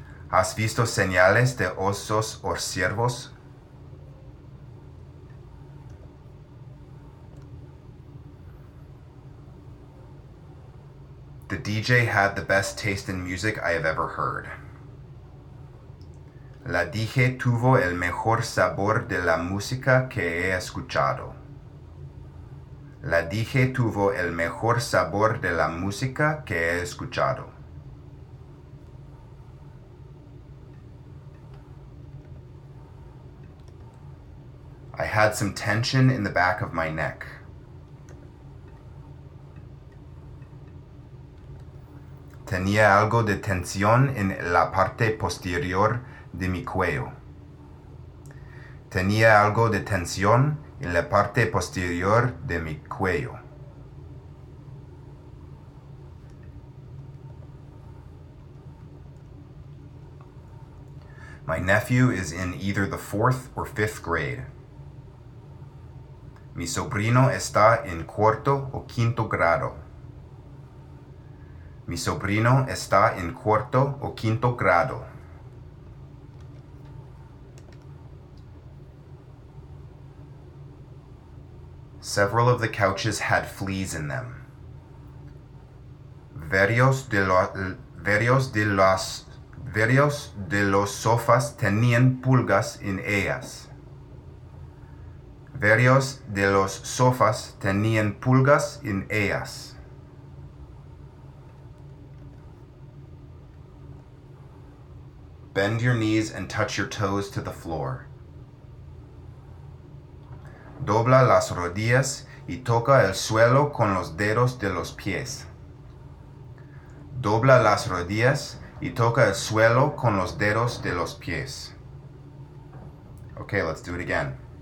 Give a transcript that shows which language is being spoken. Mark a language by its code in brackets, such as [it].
[es] ¿Has visto señales de osos o ciervos? [en] The DJ had the best taste in music I have ever heard. [es] La DJ tuvo el mejor sabor de la música que he escuchado. La DJ tuvo el mejor sabor de la música que he escuchado. [en] I had some tension in the back of my neck. [es] Tenía algo de tensión en la parte posterior de mi cuello. Tenía algo de tensión en la parte posterior de mi cuello. [en] My nephew is in either the fourth or fifth grade. [es] Mi sobrino está en cuarto o quinto grado. Mi sobrino está en cuarto o quinto grado. [en] Several of the couches had fleas in them. [es] Varios de los sofás tenían pulgas en ellas. Varios de los sofás tenían pulgas en ellas. [en] Bend your knees and touch your toes to the floor. [es] Dobla las rodillas y toca el suelo con los dedos de los pies. Dobla las rodillas y toca el suelo con los dedos de los pies. [en] Okay, let's do it again.